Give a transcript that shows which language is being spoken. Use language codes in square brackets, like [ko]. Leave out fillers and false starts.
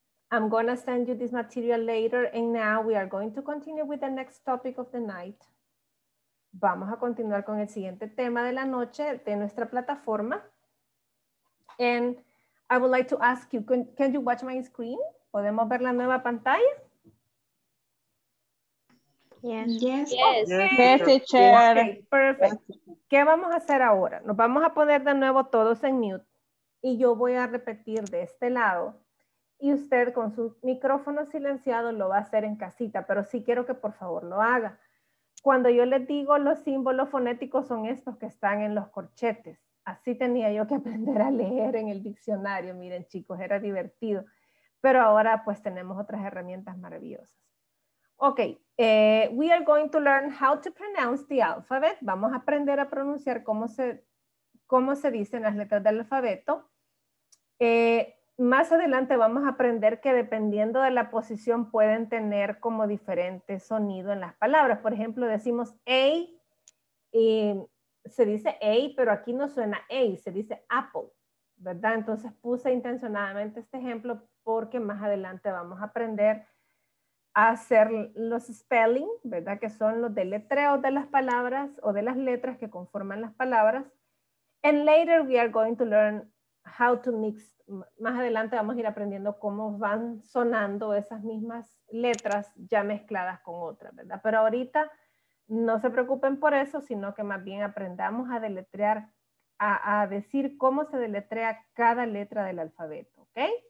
[en] I'm going to send you this material later, and now we are going to continue with the next topic of the night. [es] Vamos a continuar con el siguiente tema de la noche de nuestra plataforma. [en] And I would like to ask you, can you watch my screen? [es] ¿Podemos ver la nueva pantalla? [en] Yes. Yes. Okay. Yes, teacher. Okay, perfect. [es] ¿Qué vamos a hacer ahora? Nos vamos a poner de nuevo todos en mute y yo voy a repetir de este lado y usted con su micrófono silenciado lo va a hacer en casita, pero sí quiero que por favor lo haga. Cuando yo les digo los símbolos fonéticos son estos que están en los corchetes. Así tenía yo que aprender a leer en el diccionario. Miren, chicos, era divertido. Pero ahora pues tenemos otras herramientas maravillosas. [en] Ok, we are going to learn how to pronounce the alphabet. [es] Vamos a aprender a pronunciar cómo se dicen las letras del alfabeto. Más adelante vamos a aprender que dependiendo de la posición pueden tener como diferente sonido en las palabras. Por ejemplo, decimos A, se dice A, pero aquí no suena A, se dice apple, ¿verdad? Entonces puse intencionadamente este ejemplo porque más adelante vamos a aprender a hacer los spelling, ¿verdad? Que son los deletreos de las palabras o de las letras que conforman las palabras. [en] And later we are going to learn how to mix. [es] Más adelante vamos a ir aprendiendo cómo van sonando esas mismas letras ya mezcladas con otras, ¿verdad? Pero ahorita no se preocupen por eso, sino que más bien aprendamos a deletrear, a decir cómo se deletrea cada letra del alfabeto, ¿ok?